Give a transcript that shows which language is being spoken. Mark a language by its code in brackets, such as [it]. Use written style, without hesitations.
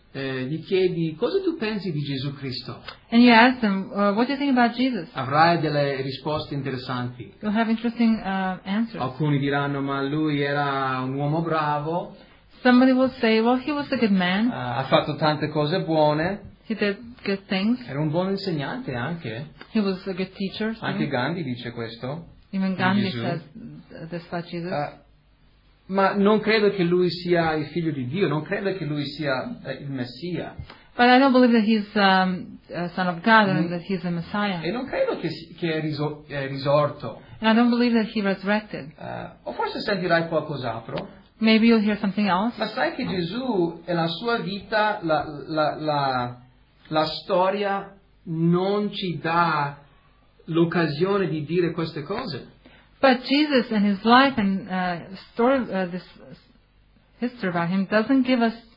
[it] gli chiedi cosa tu pensi di Gesù Cristo. [en] And you ask them, what do you think about Jesus? [it] Avrai delle risposte interessanti. [en] You'll have interesting answers. [it] Alcuni diranno, ma lui era un uomo bravo. [en] Somebody will say, well, he was a good man. [it] Ha fatto tante cose buone. [en] He did good things. [it] Era un buon insegnante anche. [en] He was a good teacher. So [it] anche Gandhi dice questo. [en] Even Gandhi says this about Jesus. [it] Ma non credo che lui sia il figlio di Dio. Non credo che lui sia il Messia. [en] But I don't believe that he's son of God and that he's a Messiah. [it] E non credo che è risorto. [en] And I don't believe that he resurrected. [it] O forse sentirai qualcos'altro. [en] Maybe you'll hear something else. [it] Ma sai che Gesù e la sua vita, la storia non ci dà l'occasione di dire queste cose. [en] But Jesus and his life and story, this history about him doesn't give us